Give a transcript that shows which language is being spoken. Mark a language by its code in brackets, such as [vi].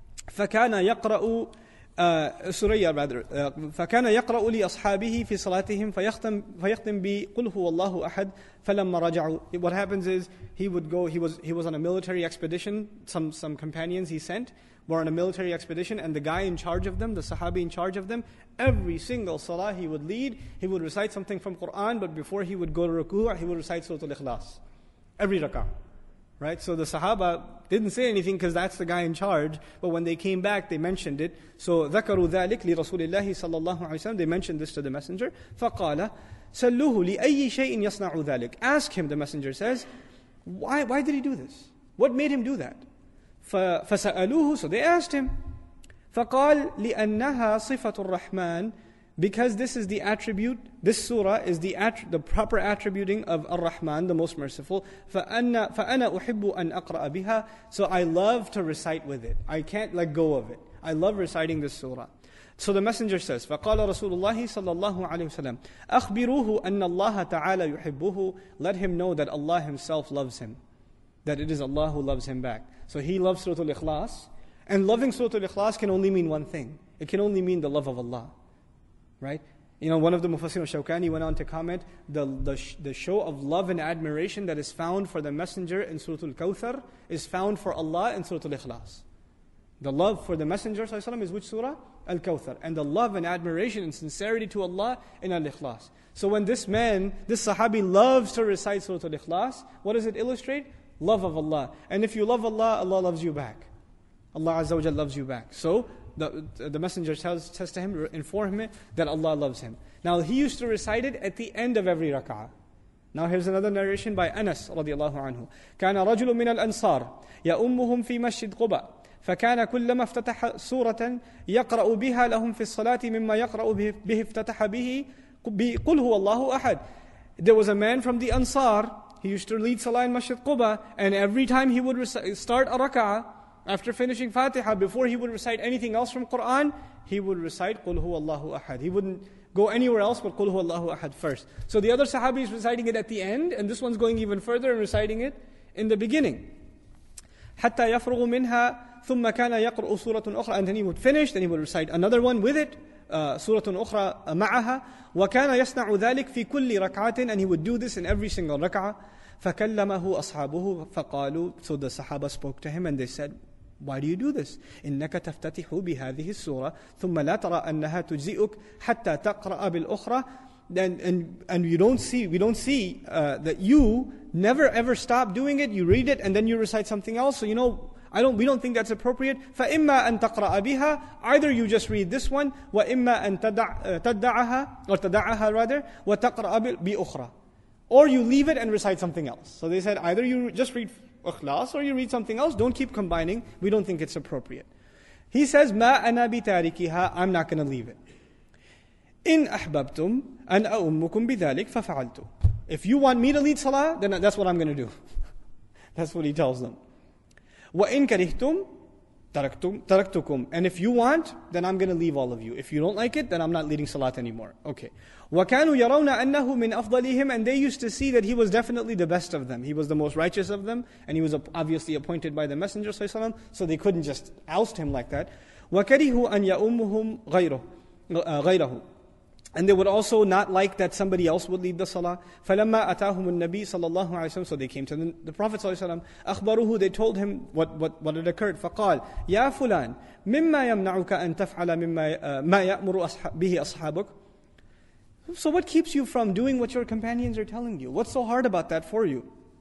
[ar] فكان يقرأ سريا رادر فكان يقرأ لأصحابه في صلاتهم فيختم بقل هو الله أحد فلما رجعوا. [en] What happens is he was on a military expedition. Some companions he sent were on a military expedition, and the guy in charge of them, the Sahabi in charge of them, every single salah he would lead, he would recite something from Quran, but before he would go to ruku' he would recite Surah Al-Ikhlas every rak'ah. Right, so the Sahaba didn't say anything because that's the guy in charge. But when they came back, they mentioned it. So [ar] ذكروا ذلك لرسول الله صلى الله عليه وسلم. [en] They mentioned this to the messenger. [ar] فقال سلوه لأي شيء يصنع ذلك. [en] Ask him, the messenger says, why did he do this? What made him do that? [ar] فسألوه. [en] So they asked him. [ar] فقال لأنها صفة الرحمن. [en] Because this is the attribute, this surah is the proper attributing of Ar-Rahman, the Most Merciful. [ar] فَأَنَا أُحِبُّ أَنْ أَقْرَأَ بِهَا. [en] So I love to recite with it. I can't let go of it. I love reciting this surah. So the messenger says, [ar] فَقَالَ رَسُولُ اللَّهِ صَلَّى اللَّهُ عَلَيْهُ وَسَلَمْ أَخْبِرُوهُ أَنَّ اللَّهَ تَعَالَى يُحِبُّهُ. [en] Let him know that Allah himself loves him. That it is Allah who loves him back. So he loves Surah Al-Ikhlas. And loving Surah Al-Ikhlas can only mean one thing. It can only mean the love of Allah. Right, you know, one of the Mufassir al-Shawkani went on to comment the show of love and admiration that is found for the messenger in Surah Al-Kawthar is found for Allah in Surah Al-Ikhlas. The love for the messenger ﷺ is which surah? Al-Kawthar. And the love and admiration and sincerity to Allah in Al-Ikhlas. So when this man, this sahabi, loves to recite Surah Al-Ikhlas, what does it illustrate? Love of Allah. And if you love Allah, Allah loves you back. Allah Azza wa Jalla loves you back. So the messenger says to him, inform him that Allah loves him. Now he used to recite it at the end of every rak'ah. Now here's another narration by Anas radiallahu anhu. [ar] كان رجل من الأنصار يأمهم في مسجد قباء فكان كلما افتتح سورة يقرأ بها لهم في الصلاة مما يقرأ به افتتح به قل هو الله أحد. [en] There was a man from the Ansar. He used to lead salah in Masjid Quba, and every time he would start a rak'ah, after finishing Fatiha, before he would recite anything else from Quran, he would recite [ar] قُلْ هُوَ اللَّهُ أَحَدٍ. [en] He wouldn't go anywhere else but قُلْ هُوَ اللَّهُ أَحَدٍ first. So the other Sahabi is reciting it at the end, and this one's going even further and reciting it in the beginning. [ar] حَتَّى يَفْرُغُ مِنْهَا ثُمَّ كَانَ يَقْرُؤُ سُورَةٌ أُخْرَى. [en] And then he would finish, then he would recite another one with it, [ar] سُورَةٌ أُخْرَى مَعَهَا. وَكَانَ يَصْنَعُ ذَلِكَ فِي كُلِّ رَكْعَةٍ. [en] And he would do this in every single rak'ah. [ar] فَكَلَّمَهُ أَصْحَابُهُ فَقَالُوا. [en] So the Sahaba spoke to him and they said, why do you do this? [ar] إِنَّكَ تَفْتَتِحُ بِهَذِهِ السُّورَةِ ثُمَّ لَا تَرَى أَنَّهَا تُجْزِئُكْ حَتَّى تَقْرَأَ بِالْأُخْرَى. [en] And we don't see that you never ever stop doing it. You read it and then you recite something else. So you know, we don't think that's appropriate. [ar] فَإِمَّا أَن تَقْرَأَ بِهَا. [en] Either you just read this one. [ar] وَإِمَّا أَن تَدَّعَهَا [en] rather. [ar] وَتَقْرَأَ بِأُخْرَى. [en] Or you leave it and recite something else. So they said, either you just read Ikhlas or you read something else. Don't keep combining. We don't think it's appropriate. He says, [ar] مَا أَنَا بِتَارِكِهَا. [en] I'm not going to leave it. [ar] إن أحببتم أن أؤمكم بذلك ففعلت. [en] If you want me to lead salah, then that's what I'm going to do. That's what he tells them. [ar] وإن كرهتم تركتكم. [en] And if you want, then I'm going to leave all of you. If you don't like it, then I'm not leading salat anymore. Okay. [ar] وَكَانُوا يَرَوْنَ أَنَّهُ مِنْ أَفْضَلِهِمْ. [en] And they used to see that he was definitely the best of them. He was the most righteous of them. And he was obviously appointed by the Messenger, [ar] صلى الله عليه وسلم, [en] so they couldn't just oust him like that. [ar] وَكَرِهُوا أَنْ يَأُمُّهُمْ غَيْرَهُ. [en] And they would also not like that somebody else would lead the salah. [ar] فَلَمَّا أَتَاهُمُ النَّبِيِّ صَلَى اللَّهُ عَلَيْهِ وَسَلَّمَ. [en] So they came to the Prophet [ar] صلى الله عليه وسلم. أخبروه. [en] They told him what had occurred. [ar] فقال يا فلان مما يمنعك أن تفعل مما ما يأمر به أصحابك. [en] So what keeps you from doing what your companions are telling you? What's so hard about that for you?